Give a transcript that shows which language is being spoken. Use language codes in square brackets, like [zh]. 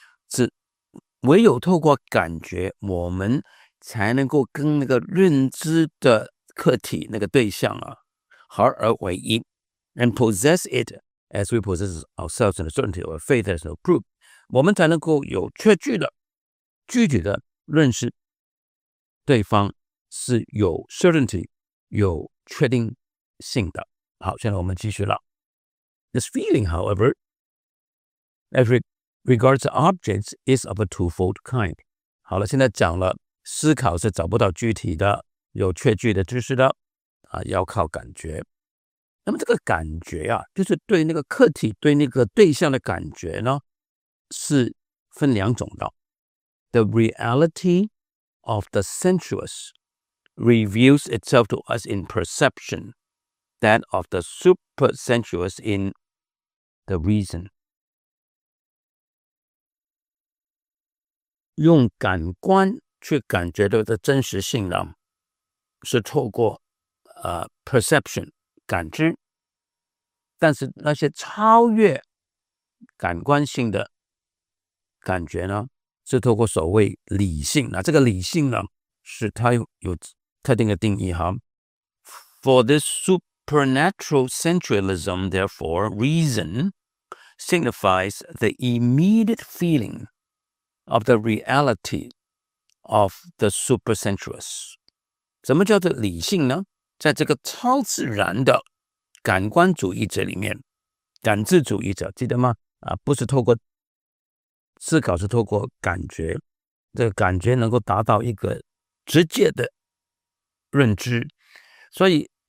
[zh] 是唯有透过感觉，我们才能够跟那个认知的客体、那个对象啊，合而为一。 [en] And possess it as we possess ourselves in the certainty of a faith that is no proof. [zh] 我们才能够有确据的、具体的认识对方是有 certainty、有确定性的。好，现在我们继续了。 [en] This feeling, however, as regards objects, is of a twofold kind. [zh] 好了，现在讲了，思考是找不到具体的、有确据的知识的，啊，要靠感觉。那么这个感觉啊，就是对那个客体、对那个对象的感觉呢，是分两种的。 [en] The reality of the sensuous reveals itself to us in perception. That of the super sensuous in the reason. [zh] 用感官去感觉到的真实性呢，是透过perception 感知，但是那些超越感官性的感觉呢，是透过所谓理性。那这个理性呢，是它有特定的定义哈。 [en] For this supernatural sensualism, therefore, reason signifies the immediate feeling of the reality of the supersensuous. [zh] 什么叫做理性呢？在这个超自然的感官主义者里面，感知主义者，记得吗？啊，不是透过思考，是透过感觉。这个感觉能够达到一个直接的认知，所以。